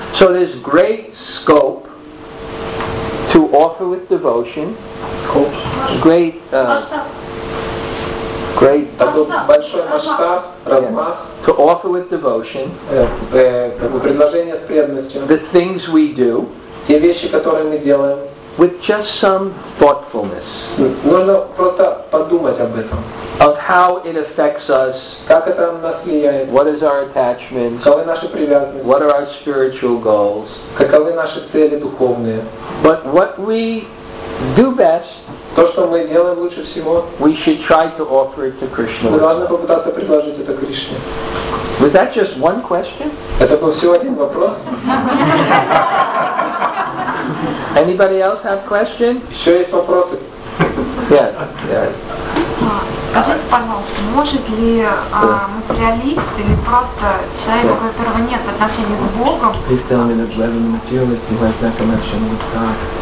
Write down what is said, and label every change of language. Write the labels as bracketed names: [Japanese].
[English] So there's great scope to offer with devotion. Great great [Russian] большой масштаб, размах. [English] To offer with devotion. [Russian] Предложение с преданностью. [English] The things we do. [Russian] Те вещи, которые мы делаем. [English] With just some thoughtfulness. [Russian] Нужно просто подумать об этом. [English] Of how it affects us. [Russian] Как это на нас влияет. [English] What is our attachment? [Russian] Каковы наши привязанности. [English] What are our spiritual goals? [Russian] Каковы наши цели духовные. [English] But what we do best. [Russian] То, что мы делаем лучше всего. [English] We should try to offer it to Krishna. [Russian] Мы должны попытаться предложить это Кришне. [English] Was that just one question? [Russian] Это был всего один вопрос. [English] Anybody else have questions? [Russian] Еще есть вопросы? [English] Yes. [Russian] Скажите, пожалуйста, может ли материалист или просто человек, у которого нет отношения с Богом? [English] Please tell me that whether the materialist who has that connection with God.